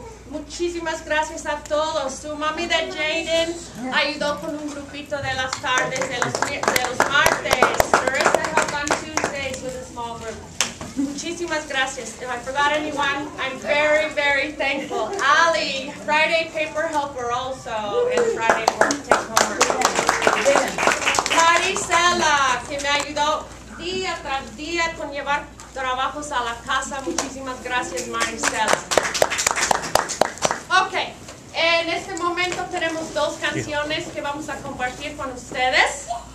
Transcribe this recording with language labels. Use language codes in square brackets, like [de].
[es] Muchísimas gracias a todos. Su mami de Jaden ayudó con un grupito de las tardes de los martes. [en] Teresa helped on Tuesdays with a small group. [es] Muchísimas gracias. [en] If I forgot anyone, I'm very, very thankful. Ali, Friday paper helper also, and Friday work take homework. [es] Marisela, que me ayudó día tras día con llevar trabajos a la casa. Muchísimas gracias, Marisela. Ok, en este momento tenemos dos canciones que vamos a compartir con ustedes.